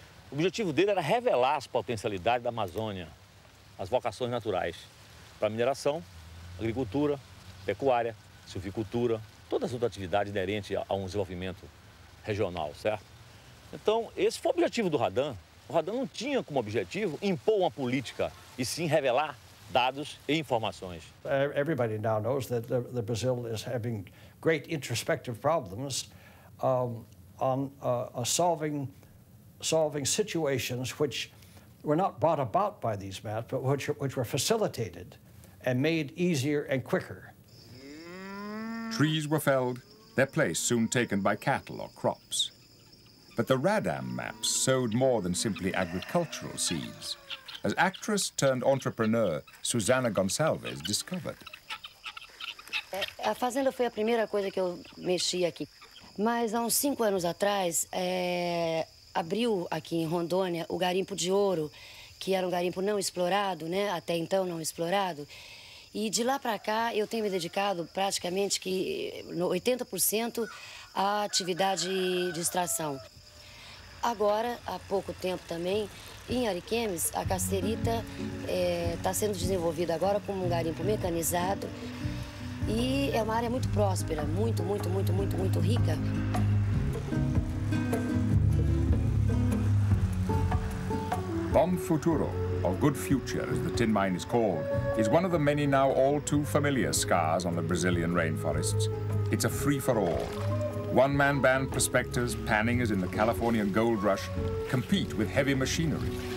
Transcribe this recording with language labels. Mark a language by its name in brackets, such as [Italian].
[Portuguese] O objetivo dele era revelar as potencialidades da Amazônia, as vocações naturais, para mineração, agricultura, pecuária, silvicultura, todas as outras atividades inerentes a um desenvolvimento regional, certo? Então, esse foi o objetivo do RADAM. O RADAM não tinha como objetivo impor uma política, e sim revelar dados e informações. [English] Everybody now knows that the Brazil is having great introspective problems solving situations which were not brought about by these maps, but which were facilitated and made easier and quicker. Trees were felled, their place soon taken by cattle or crops. But the RADAM maps sowed more than simply agricultural seeds, as actress turned entrepreneur Susana Gonçalves discovered. [Portuguese] A fazenda foi a primeira coisa que eu mexi aqui. Mas há uns 5 anos atrás, abriu aqui em Rondônia o garimpo de ouro, que era um garimpo não explorado, né? Até então não explorado. E de lá para cá eu tenho me dedicado praticamente que 80% à atividade de extração. Agora, há pouco tempo também, em Ariquemes, a cassiterita está sendo desenvolvida agora como um garimpo mecanizado. E é uma área muito próspera, muito, muito, muito, muito, muito rica. [English] Bom futuro, or good future, as the tin mine is called, is one of the many now all too familiar scars on the Brazilian rainforests. It's a free-for-all. One-man band prospectors panning as in the Californian gold rush compete with heavy machinery.